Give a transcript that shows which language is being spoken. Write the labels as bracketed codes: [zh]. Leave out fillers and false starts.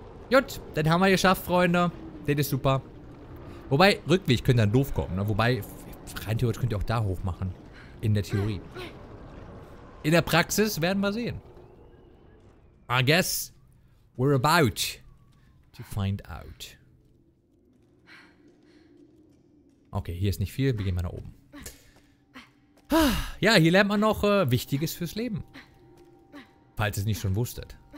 [de] Gut, dann haben wir geschafft, Freunde. Das ist super. Wobei, Rückweg könnte dann doof kommen, ne? Wobei, rein theoretisch könnt ihr auch da hoch machen. In der Theorie. In der Praxis werden wir sehen. [en] I guess we're about to find out. [de] Okay, hier ist nicht viel. Wir gehen mal nach oben. Ja, hier lernt man noch Wichtiges fürs Leben. Falls ihr es nicht schon wusstet.